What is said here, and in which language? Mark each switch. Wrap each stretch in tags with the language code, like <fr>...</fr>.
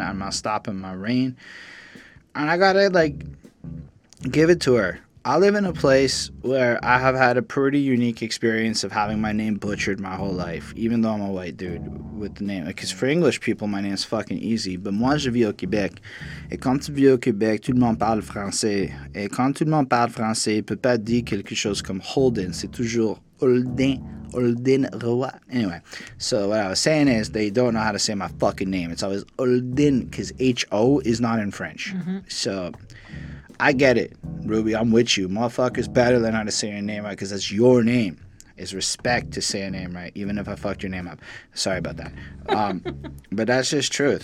<en>I'm not stopping my reign. And I gotta, like, give it to her. I live in a place where I have had a pretty unique experience of having my name butchered my whole life, even though I'm a white dude with the name. Because for English people, my name is fucking easy.</en> <fr>But moi, je vis au Québec. Et quand tu vis au Québec, tout le monde parle français. Et quand tout le monde parle français, il ne peut pas dire quelque chose comme Holden. C'est toujours Holden. Holden Roy.</fr> <en>Anyway, so what I was saying is they don't know how to say my fucking name. It's always Holden because H-O is not in French. Mm-hmm. So I get it, Ruby. I'm with you. Motherfuckers better than how to say your name right because that's your name. It's respect to say a name right, even if I fucked your name up. Sorry about that. but that's just truth.</en>